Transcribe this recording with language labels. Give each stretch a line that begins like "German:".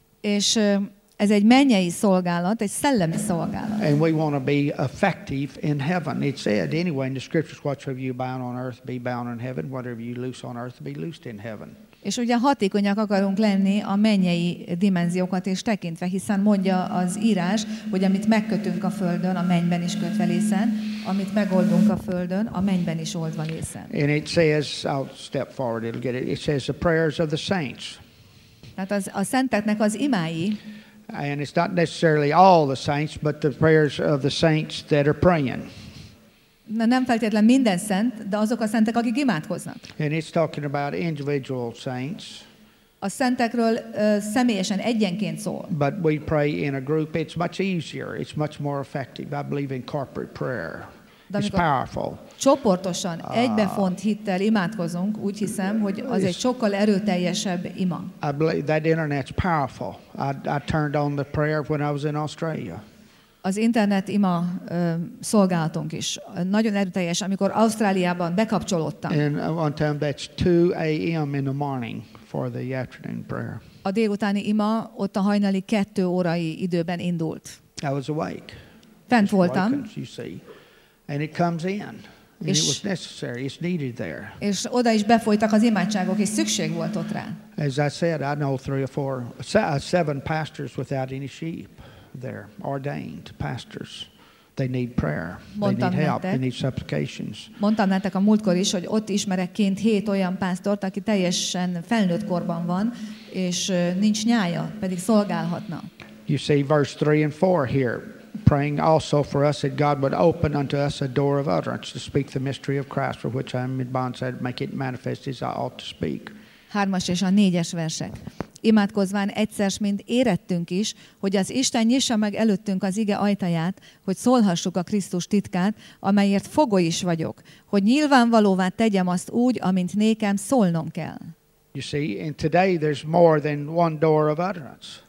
Hungarian: És ez egy mennyei szolgálat, egy szellemi szolgálat.
English: And we want to be effective in heaven. It said anyway in the scriptures, whatsoever you bind on earth, be bound in heaven. Whatever you loose on earth, be loosed in heaven.
Hungarian: És ugye hatékonyak akarunk lenni a mennyei dimenziókat is tekintve, hiszen mondja az írás, hogy amit megkötünk a földön, a mennyben is kötve lészen, amit megoldunk a földön, a mennyben is oldva lészen.
English: And it says, I'll step forward, it'll get it. It says the prayers of the saints.
Hungarian: Tehát az, a szenteknek az imái.
English: And it's not necessarily all the saints, but the prayers of the saints that are praying.
Hungarian: Na, nem feltétlenül minden szent, de azok a szentek, akik imádkoznak.
English: And it's talking about individual saints.
Hungarian: A szentekről személyesen, egyenként szól.
English: But we pray in a group. It's much easier. It's much more effective. I believe in corporate prayer. It's powerful.
Hungarian: Csoportosan, egybefont hittel imádkozunk, úgy hiszem, hogy az egy sokkal erőteljesebb ima.
English: I believe that internet's powerful. I turned on the prayer when I was in Australia.
Hungarian: Az internet ima szolgálatunk is nagyon erőteljes, amikor Ausztráliában bekapcsolódtam.
English: And one time that's 2 a.m. in the morning for the afternoon prayer.
Hungarian: A délutáni ima ott a hajnali 2 órai időben indult.
English: I was awake.
Hungarian: Fent voltam.
English: You see. And it comes in. And it was necessary. It's needed there.
Hungarian: És oda is befolytak az imádságok, és szükség volt ott rá.
English: As I said, I know three or four, seven pastors without any sheep there, ordained pastors. They need prayer.
Hungarian: Mondtam
English: they need
Hungarian: nektek,
English: help. They need supplications.
Hungarian: Mondtam nektek a múltkor is, hogy ott ismerek ként hét olyan pásztort, aki teljesen felnőtt korban van, és nincs nyája, pedig szolgálhatna.
English: You see verse 3 and 4 here. Praying also for us that God would open unto us a door of utterance to speak the mystery of Christ for which I am in bonds and make it manifest as I ought to speak.
Hungarian: 3-as és a 4-es versek. Imádkozván egyszer mint érettünk is, hogy az Isten nyissa meg előttünk az ige ajtaját, hogy szólhassuk a Krisztus titkát, amelyért fogoly is vagyok, hogy nyilvánvalóvá tegyem azt úgy, amint nékem szólnom kell.
English: You see, and today there's more than one door of utterance.